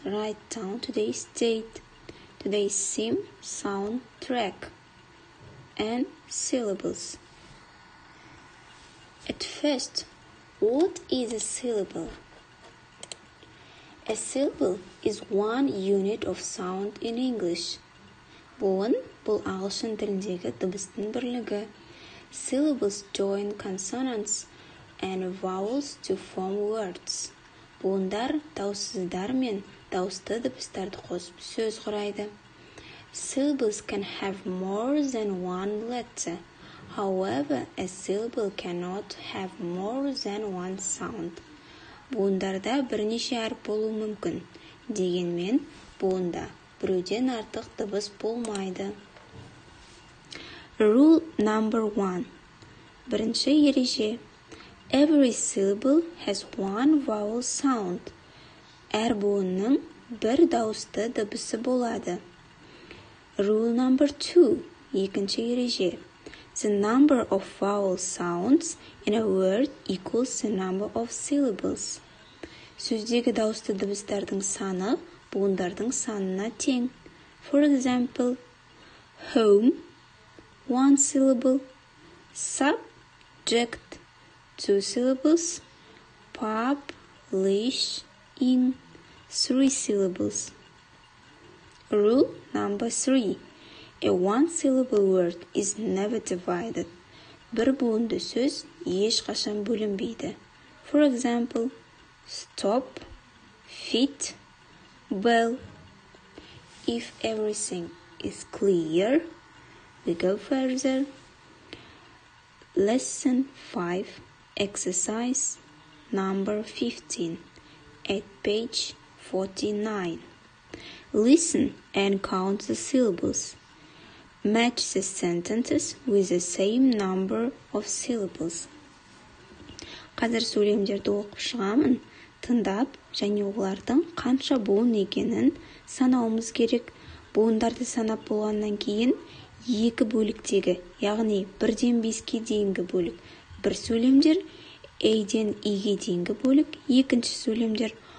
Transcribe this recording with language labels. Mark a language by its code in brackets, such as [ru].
[en] Write down today's date, today's theme, soundtrack, and syllables. At first, what is a syllable? A syllable is one unit of sound in English. [kk] Бұлын бұл ағылшын тіліндегі дыбыстың бірлігі. [en] Syllables join consonants and vowels to form words. [kk] Буындар дауыссыздар мен дауысты дыбыстарды қосып сөз құрайды. [en] Syllables can have more than one letter. However, a syllable cannot have more than one sound. [kk] Буындарда бірнеше әріп болуы мүмкін. Дегенмен, буында біреуден артық дыбыс болмайды. [en] Rule number one. [kk] Бірінші ереже. [en] Every syllable has one vowel sound. [kk] Әр буынның бір дауысты дыбысы болады. [en] Rule number two. [kk] Екінші ереже. [en] The number of vowel sounds in a word equals the number of syllables. [kk] Сөздегі дауысты дыбыстардың саны буындардың санына тең. [en] For example, home. One syllable, subject, two syllables, publishing, three syllables. Rule number three. A one-syllable word is never divided. [kk] Бір буынды сөз ешқашан бөлінбейді. [en] For example, stop, fit, bell. If everything is clear, we go further. Lesson 5, exercise number 15, at page 49. Listen and count the syllables. Match the sentences with the same number of syllables. [kk] Қазір сөйлемдерді оқып шығамын. Тыңдап және олардың қанша буын екенін санауымыз керек. Буындарды санап болғаннан кейін екі бөліктегі, яғни бірден беске дейінгі бөлік бір сөйлемдер, A-ден E-ге дейінгі бөлік екінші сөйлемдер.